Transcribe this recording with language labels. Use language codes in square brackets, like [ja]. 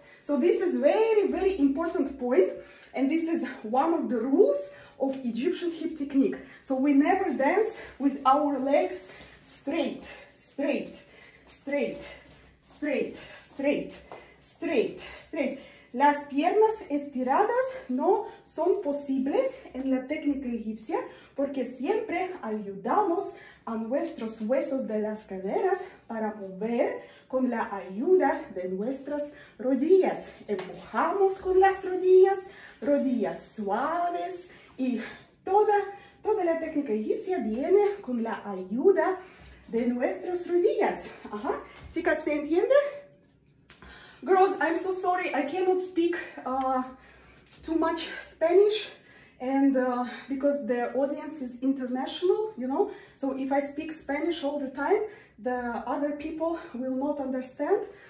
[en] So this is very, very important point, and this is one of the rules of Egyptian hip technique. So we never dance with our legs straight, straight, straight, straight, straight, straight, straight. [es] Las piernas estiradas no son posibles en la técnica egipcia porque siempre ayudamos a nuestros huesos de las caderas para mover con la ayuda de nuestras rodillas. Empujamos con las rodillas, rodillas suaves, y toda la técnica egipcia viene con la ayuda de nuestras rodillas. Ajá. Chicas, ¿se entiende? [en] Girls, I'm so sorry, I cannot speak too much Spanish, and because the audience is international, you know, so if I speak Spanish all the time, the other people will not understand.